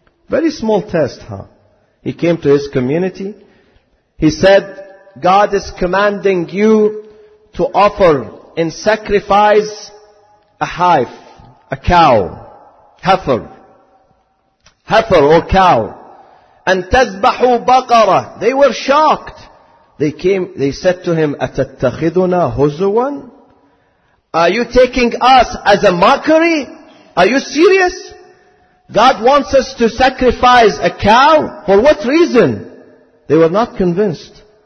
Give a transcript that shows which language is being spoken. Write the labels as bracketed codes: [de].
[en] Very small test, huh? He came to his community. He said, God is commanding you to offer in sacrifice a hive, a cow, heifer. Heifer or cow. [ar] And تَذْبَحُوا بَقَرَةً. [en] They were shocked. They came, they said to him, [ar] أَتَتَّخِذُنَا هُزُوًا. [en] Are you taking us as a mockery? Are you serious? God wants us to sacrifice a cow? For what reason? They were not convinced.